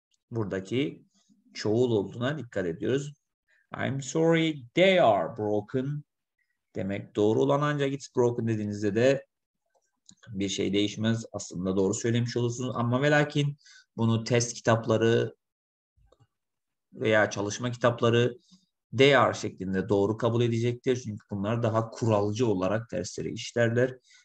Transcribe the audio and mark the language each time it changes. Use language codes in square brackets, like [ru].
[tr] Buradaki çoğul olduğuna dikkat ediyoruz. [en] I'm sorry they are broken demek. [tr] Doğru olan ancak it's broken dediğinizde de bir şey değişmez. Aslında doğru söylemiş olursunuz. Ama ve lakin bunu test kitapları veya çalışma kitapları they are şeklinde doğru kabul edecektir. Çünkü bunlar daha kuralcı olarak dersleri işlerler.